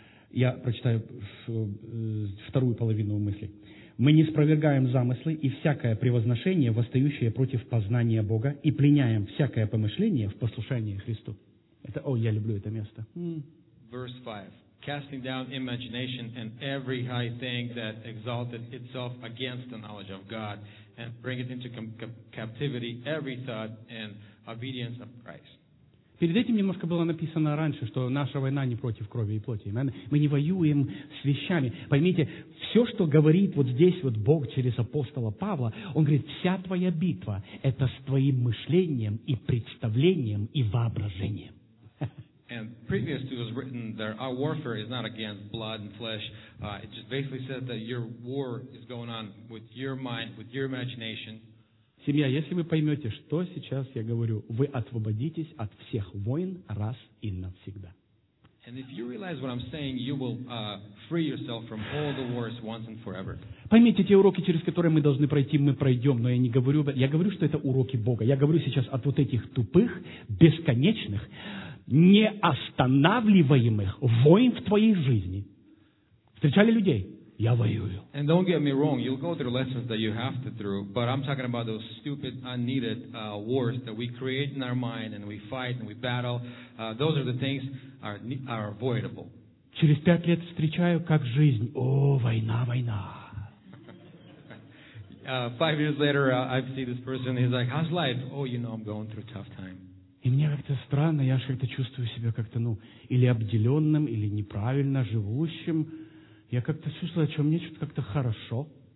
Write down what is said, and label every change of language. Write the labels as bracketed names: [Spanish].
[Russian] Я прочитаю вторую половину мысли. Мы не спровергаем замыслы и всякое превозношение, восстающее против познания Бога, и пленяем всякое помышление в послушание Христу. Это, я люблю это место. [English] Verse 5. Casting down imagination and every high thing that exalted itself against the knowledge of God, and bring it into captivity every thought and obedience of Christ. [Russian] Перед этим немножко было написано раньше, что наша война не против крови и плоти. Мы не воюем с вещами. Поймите, все, что говорит вот здесь вот Бог через апостола Павла, он говорит, вся твоя битва – это с твоим мышлением и представлением и воображением. [English] And previous to it was written that our warfare is not against blood and flesh. It just basically says that your war is going on with your mind, with your imagination. [Russian] Семья, если вы поймете, что сейчас я говорю, вы освободитесь от всех войн раз и навсегда. [English] And if you realize what I'm saying, you will free yourself from all the wars once and forever. [Russian] Поймите, те уроки, через которые мы должны пройти, мы пройдем, но я не говорю, я говорю, что это уроки Бога. Я говорю сейчас от вот этих тупых, бесконечных, неостанавливаемых войн в твоей жизни. Встречали людей? Я воюю. [English] And don't get me wrong, you'll go through lessons that you have to through, but I'm talking about those stupid, unneeded wars that we create in our mind and we fight and we battle. Those are the things are avoidable. [Russian] Через 5 лет встречаю, как жизнь. О, война, война. [English] 5 years later, I see this person, he's like, how's life? Oh, you know, I'm going through a tough time. [Russian] И мне как-то странно, я же как-то чувствую себя как-то, ну, или обделенным, или неправильно живущим. Я как-то чувствую, что мне что-то как-то хорошо.